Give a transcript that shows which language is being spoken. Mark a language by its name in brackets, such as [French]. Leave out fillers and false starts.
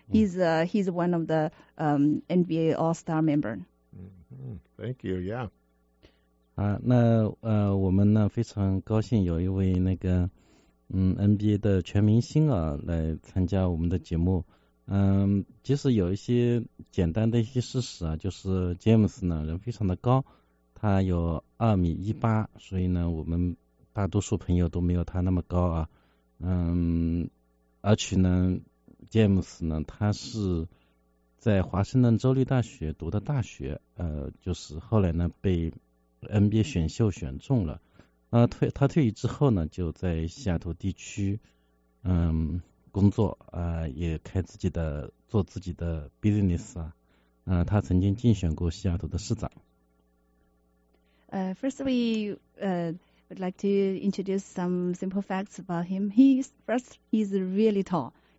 [English] He's one of the NBA All-Star members. Thank you, yeah. [Chinese] 我们呢非常高兴有一位那个NBA 的全明星啊来参加我们的节目。其实有一些简单的一些事实啊，就是 James 呢人非常的高，他有2米18，所以呢我们大多数朋友都没有他那么高啊。而且呢 James 呢他是在华盛顿州立大学读的大学，就是后来呢被 NBA 选秀选中了。他退役之后呢就在西雅图地区工作，也开自己的做自己的 business 啊，他曾经竞选过西雅图的市长。 [English] Firstly, would like to introduce some simple facts about him. He's really tall.